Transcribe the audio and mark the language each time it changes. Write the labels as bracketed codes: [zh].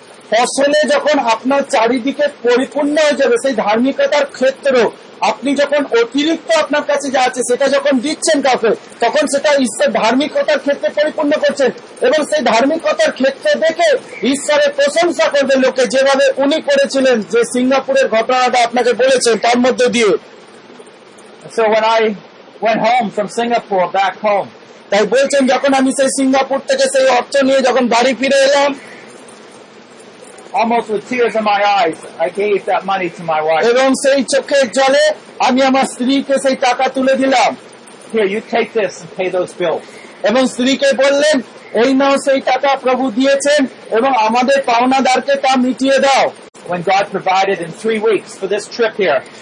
[bn] ফসলে যখন আপনার চারিদিকে পরিপূর্ণ হয়ে যাবে, সেই ধার্মিকতার ক্ষেত্র আপনি যখন অতিরিক্ত আপনার কাছে যা আছে সেটা যখন দিচ্ছেন কাউকে, তখন সেটা ঈশ্বর ধার্মিকতার ক্ষেত্রে পরিপূর্ণ করছেন, এবং সেই ধার্মিকতার ক্ষেত্রে দেখে ঈশ্বরের প্রশংসা করবে লোকে, যেভাবে উনি করেছিলেন, যে সিঙ্গাপুরের ঘটনাটা আপনাকে বলেছেন তার মধ্যে দিয়ে। [en] So when I went home from Singapore back home, [bn] তাই বলছেন যখন আমি সেই সিঙ্গাপুর থেকে সেই অর্থ নিয়ে যখন বাড়ি ফিরে এলাম, [en] almost with tears in my eyes, I gave that money to my wife. [bn] এবং সেই চোখের জলে আমি আমার স্ত্রীকে সেই টাকা তুলে দিলাম। [en] Here, you take this and pay those bills. [bn] এবং স্ত্রীকে বললেন, এই নাও সেই টাকা প্রভু দিয়েছেন এবং আমাদের পাওনাদারকে তা মিটিয়ে দাও। [en] When God provided in 3 weeks for this trip here.